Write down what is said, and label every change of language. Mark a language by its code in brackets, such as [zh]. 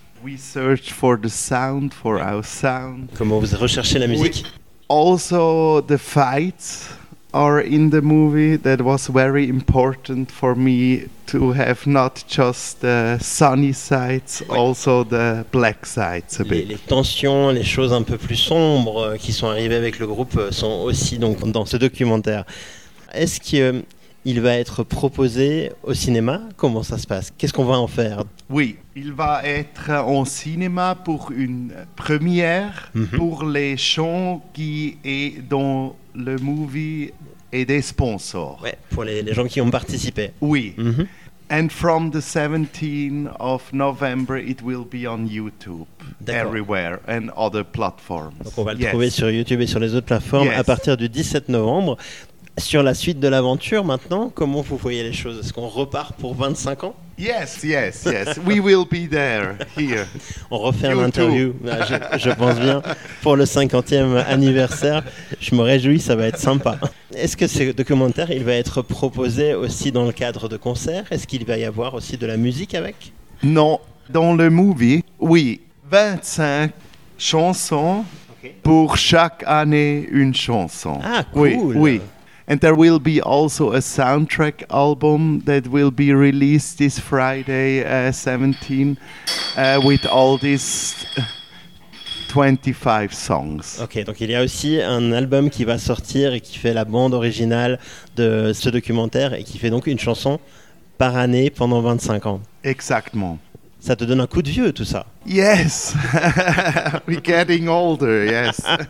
[en] We search for the sound, for our sound. [fr] Comment vous recherchez la musique? [en] Also, the fights are in the movie. That was very important for me to have not just the sunny sides, ouais. also the black sides a bit. [fr] Les tensions, les choses un peu plus sombres qui sont arrivées avec le groupe sont aussi donc dans ce documentaire. Est-ce que il va être proposé au cinéma? Comment ça se passe? Qu'est-ce qu'on va en faire? Oui, il va être en cinéma pour une première, mm-hmm. pour les chants qui est dans le movie et des sponsors. Ouais, pour les gens qui ont participé. Oui. Mm-hmm. [en] And from the 17th of November, it will be on YouTube, [fr] d'accord. [en] everywhere, and other platforms. [fr] Donc on va le yes. trouver sur YouTube et sur les autres plateformes [en] yes. [fr] à partir du 17 novembre. Sur la suite de l'aventure maintenant, comment vous voyez les choses? Est-ce qu'on repart pour 25 ans? [en] Yes, yes, yes. We will be there, here. [fr] On refait un interview, je pense bien, pour le 50e anniversaire. Je me réjouis, ça va être sympa. Est-ce que ce documentaire, il va être proposé aussi dans le cadre de concerts? Est-ce qu'il va y avoir aussi de la musique avec? Non, dans le movie, oui. 25 chansons, okay. pour chaque année, une chanson. Ah, cool. Oui, oui. [en] And there will be also a soundtrack album that will be released this Friday, 17, with all these 25 songs. [fr] Ok, donc il y a aussi un album qui va sortir et qui fait la bande originale de ce documentaire et qui fait donc une chanson par année pendant 25 ans. Exactement. Ça te donne un coup de vieux tout ça? [en] Yes, we're getting older, yes.